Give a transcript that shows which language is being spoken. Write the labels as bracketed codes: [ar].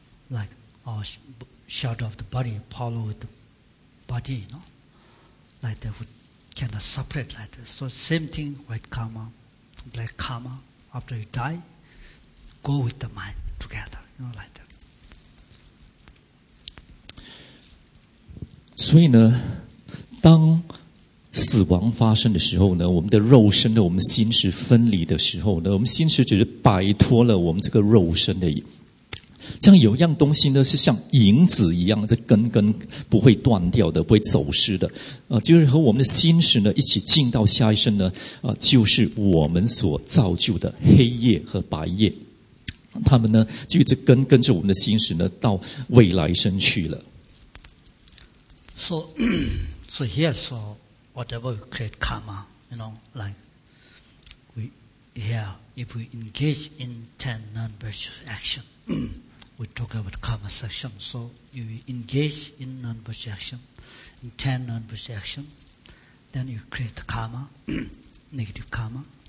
[en] Like our shadow of the body, follow with the body, you know. Like that, we cannot separate like that. So same thing, white karma, black karma, after you die,Go with the mind together, you know, like that. [zh] 所以呢，当死亡发生的时候呢，我们的肉身的我们心识分离的时候呢，我们心识只是摆脱了我们这个肉身而已。像有一样东西呢，是像影子一样，这根不会断掉的，不会走失的。就是和我们的心识呢一起进到下一生呢，就是我们所造就的黑夜和白夜。他们呢，就一直跟着我们的心识呢，到未来生去了。 [en] So here, so whatever we create karma, you know, like we here, if we engage in 10 non-virtuous action, we talk about karma section. So if we engage in non-virtuous action, in 10 non-virtuous action, then you create karma, negative karma.